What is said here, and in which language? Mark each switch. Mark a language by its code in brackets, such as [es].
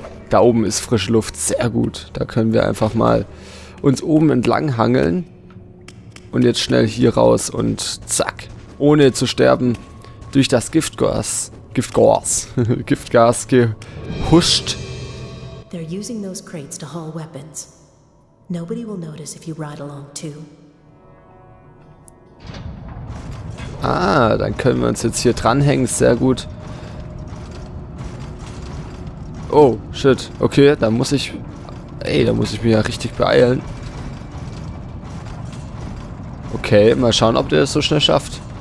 [de] Da oben ist frische Luft. Sehr gut. Da können wir einfach mal uns oben entlang hangeln. Und jetzt schnell hier raus und zack, ohne zu sterben, durch das Giftgas gehuscht. [en] They're using those crates to haul weapons. Nobody will notice if you ride along too. [de] Ah, dann können wir uns jetzt hier dranhängen, sehr gut. Oh, shit. Okay, da muss ich... Ey, da muss ich mich ja richtig beeilen. Okay, mal schauen, ob der es so schnell schafft.